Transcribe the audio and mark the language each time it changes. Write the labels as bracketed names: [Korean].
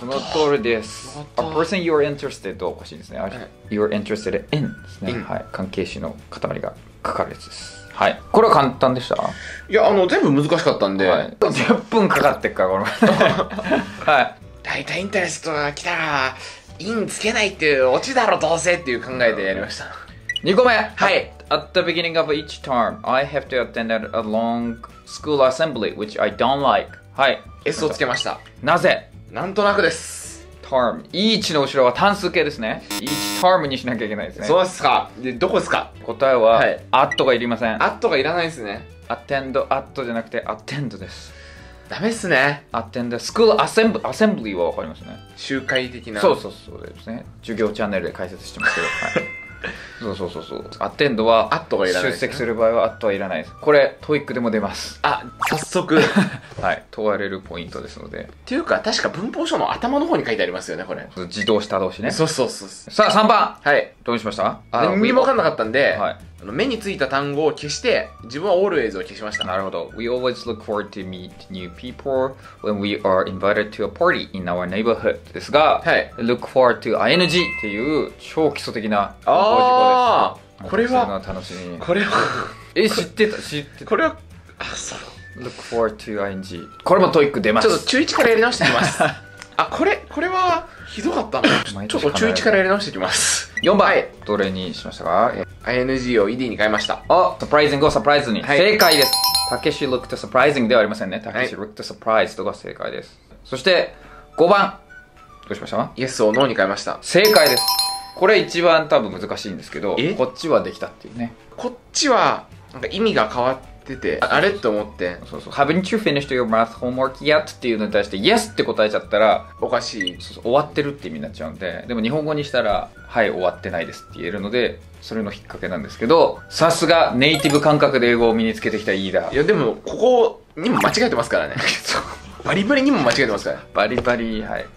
[Japanese] その通りです。 [English] a person you're interested、 [Japanese] おかしいですね、はい、 [English] you're interested in [Japanese] ですね、はい、関係詞の塊がかかるやつです。はい、これは簡単でした。いや、あの全部難しかったんで、はい、10分かかってっから、この。はい、だいたいインタレストが来たらインつけないっていうオチだろどうせっていう考えでやりました。 2個目、はい、 [English] at the beginning of each term I have to attend a long school assembly which I don't like。 [Japanese] はい、 S をつけました。なぜ。なんとなくです。 term、 each の後ろは単数形ですね。eachTerm にしなきゃいけないですね。そうですか。で、どこですか。答えは、はい、at がいりません。 at がいらないですね。 attend、 at じゃなくて attend です。ダメっすね。 attend school assembly、 assembly はわかりますね。集会的な。そうそうそうですね。授業チャンネルで解説してますけど、はい、そうそうそうそう。アテンドは、アットがいらないです、ね。出席する場合は、アットはいらないです。これ、トイックでも出ます。あ、早速。はい。問われるポイントですので。っていうか、確か文法書の頭の方に書いてありますよね、これ。自動した動詞ね。そうそうそう。さあ、3番。はい。どうしました？何も分かんなかったんで、はい、あの、目についた単語を消して、自分は always を消しました。なるほど。 [English] We always look forward to meet new people when we are invited to a party in our neighborhood ですが、 [Japanese] はい。 look forward to ing っていう超基礎的な文法事項です。ああ、これは、の楽しみ。これは、え、知ってた、知ってた。これは、あ、 [English] そう。look forward to ing。 [Japanese] これもトイック出ます。ちょっと中1からやり直してきます。あ、これ、これは、ひどかったな。ちょっと中1からやり直してきます。 4番、はい、どれにしましたか。 ing を ed に変えました。あ、surprising を surprise に、はい。正解です。たけし [English] looked surprising [Japanese] ではありませんね。たけし [English] looked surprised [Japanese] とか正解です。そして、5番。どうしましたか。 yes を no に変えました。正解です。これ一番多分難しいんですけど、こっちはできたっていうね。こっちはなんか意味が変わっ出て、あれって思って、 [English] そうそう、Haven't you finished your math homework yet? [Japanese] っていうのに対して、Yes! って答えちゃったら、おかしい。そうそう、終わってるって意味になっちゃうんで、でも日本語にしたら、はい、終わってないですって言えるので、それの引っ掛けなんですけど、さすがネイティブ感覚で英語を身につけてきたイーダー。いや、でも、ここにも間違えてますからね。バリバリにも間違えてますから。バリバリ、はい。